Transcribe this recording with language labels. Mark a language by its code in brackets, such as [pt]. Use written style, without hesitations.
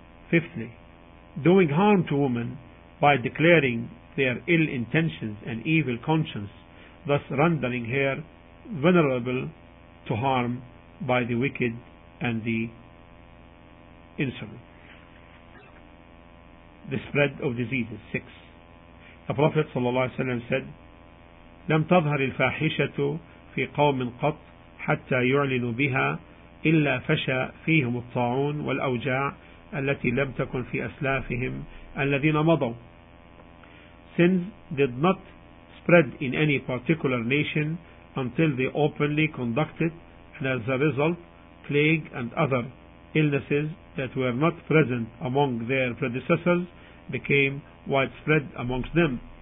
[en] Fifthly, doing harm to women by declaring their ill intentions and evil conscience, thus rendering her vulnerable to harm by the wicked and the insolent. The spread of diseases. 6. The Prophet ﷺ said, [ar] لم تظهر الفاحشة في قوم قط حتى يعلنوا بها إلا فشى فيهم الطاعون والأوجاع التي لم تكن في أسلافهم الذين مضوا. [en] Sins did not spread in any particular nation until they openly conducted, and as a result, plague and other illnesses that were not present among their predecessors became widespread amongst them.